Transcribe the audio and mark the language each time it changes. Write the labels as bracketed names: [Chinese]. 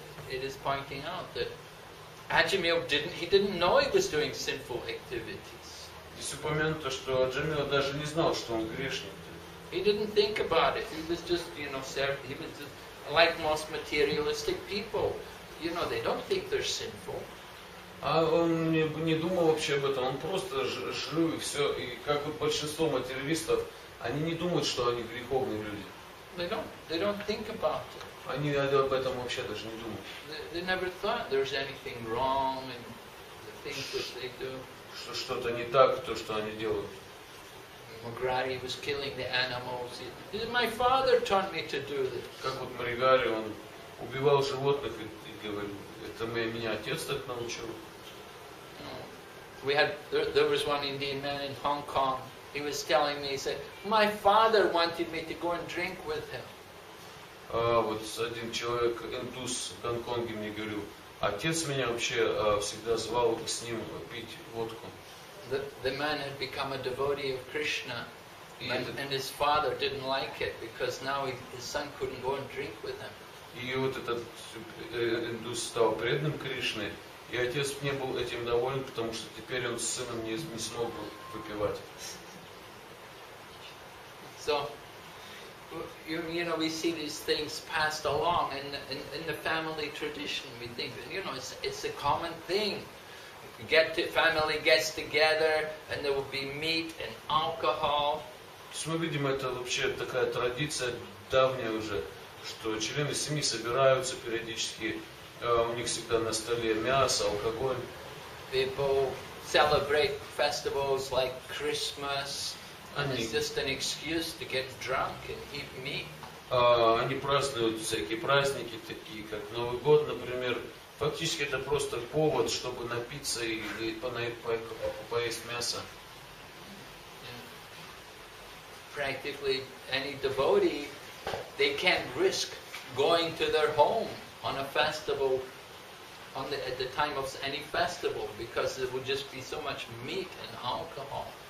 [English] It is pointing out that Аджамила didn't know he was doing sinful activities. [Russian] Здесь упомянуто, что Аджамила даже не знал, что он грешник. [English] He didn't think about it. He was just, you know, he was just, like most materialistic people. You know, they don't think they're sinful. [Russian] А он не думал вообще об этом. Он просто жил и все. И как вот большинство материалистов, они не думают, что они греховные люди. [English] They don't think about it. [Russian] Они об этом вообще даже не думают. [English] They never thought there's anything wrong in the things that they do. [Russian] Что что-то не так то, что они делают. [English] Мригари was killing the animals. My father taught me to do this. [Russian] Как вот Мригари, он убивал животных и говорил, это меня отец так научил. [English] We had there was one Indian man in Hong Kong. He was telling me, he said, my father wanted me to go and drink with him. [Russian] Вот один человек, индус в Гонконге, мне говорил, отец меня вообще всегда звал с ним пить водку. [English] The man had become a devotee of Krishna. And his father didn't like it because now his son couldn't go and drink with him. [Russian] И вот этот индус стал преданным Кришне, и отец не был этим доволен, потому что теперь он с сыном не смог выпивать. [English] So, you know, we see these things passed along, and in the family tradition, we think, you know, it's a common thing. Family gets together, and there will be meat and alcohol. [Russian] Мы видим, это вообще такая традиция давняя уже, что члены семьи собираются периодически, у них всегда на столе мясо, алкоголь. [English] People celebrate festivals like Christmas, and it's just an excuse to get drunk and eat meat. [Russian] Они празднуют всякие праздники, такие как Новый год, например. Фактически это просто повод, чтобы напиться и поесть мясо. [English] Practically any devotee, they can't risk going to their home on a festival, at the time of any festival, because there would just be so much meat and alcohol.